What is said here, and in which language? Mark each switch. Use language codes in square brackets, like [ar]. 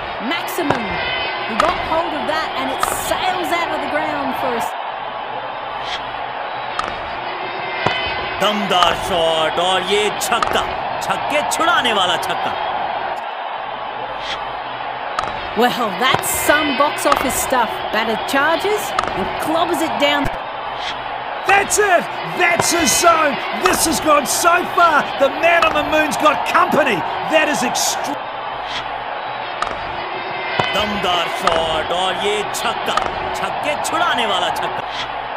[en] Maximum, he got hold of that and it sails out of the ground first. [hi] दमदार shot और ये छक्का, छक्के छुड़ाने वाला छक्का। [en] Well, that's some box office stuff. Batter charges and clobbers it down. That's it. That's his zone. This has gone so far. The man on the moon's got company. That is [hi] दमदार shot और ये छक्का, छक्के छुड़ाने वाला छक्का।